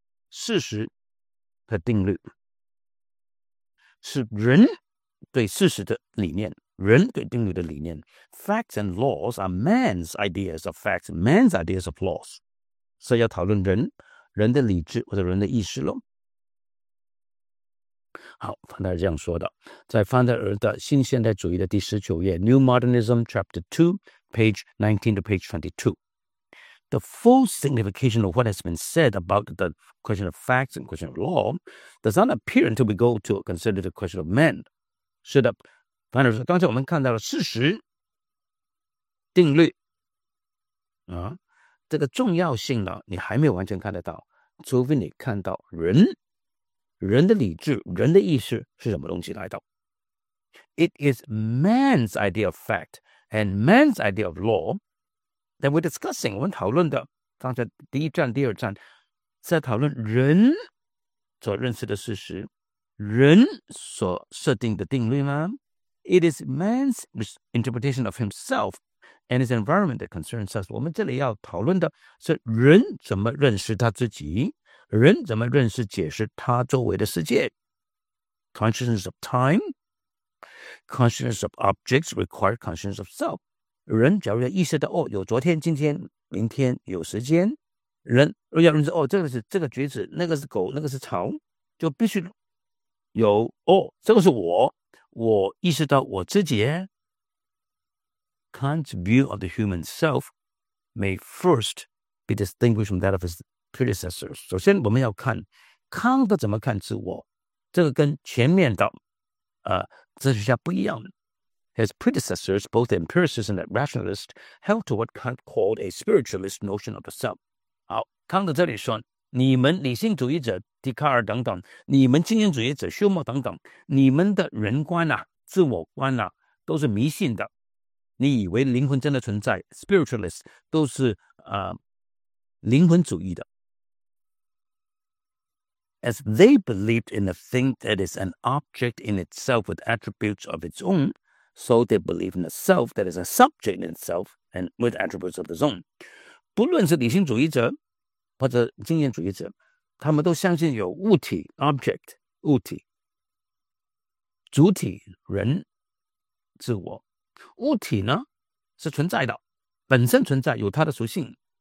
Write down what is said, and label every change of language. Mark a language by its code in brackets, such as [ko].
[zh] 事实的定律是人对事实的理念，人对定律的理念。 [en] Facts and laws are man's ideas of facts, man's ideas of laws. [zh] 所以要讨论人，人的理智或者人的意识咯。好，范特尔这样说的，在范特尔的新现代主义的第十九页， [en] New Modernism Chapter 2 Page 19 to Page 22， The full signification of what has been said about the question of facts and question of law does not appear until we go to consider the question of men. [zh] 是的，范特尔说，刚才我们看到了事实定律啊，这个重要性呢，你还没有完全看得到，除非你看到人，人的理智，人的意识是什么东西来的。 [en] It is man's idea of fact and man's idea of law that we're discussing. [zh] 我们讨论的刚才第一站第二站在讨论人所认识的事实，人所设定的定律吗？ [en] It is man's interpretation of himself and his environment that concerns us. [zh] 我们这里要讨论的是人怎么认识他自己，人怎么认识解释他周围的世界。 [en] Consciousness of time, consciousness of objects require consciousness of self. [zh] 人假如要意识到，哦，有昨天今天明天有时间，人若要认识，哦，这个是这个橘子，那个是狗，那个是草，就必须有，哦，这个是我，我意识到我自己。 [en] Kant's view of the human self may first be distinguished from that of his predecessors. [zh] 首先我们要看康德怎么看自我，这个跟前面的哲学家不一样。 [en] His predecessors, both empiricists and rationalists, held to what Kant called a spiritualist notion of the self. [zh] 好，康德这里说，你们理性主义者，笛卡尔等等，你们经验主义者，休谟等等，你们的人观啊，自我观啊，都是迷信的，你以为灵魂真的存在， spiritualists 都是灵魂主义的。 [en] As they believed in a thing that is an object in itself with attributes of its own, so they believe in a self that is a subject in itself and with attributes of its own. [zh] 不论是理性主义者或者经验主义者，他们都相信有物体 object 物体主体人自我。物体呢是存在的，本身存在，有它的属性。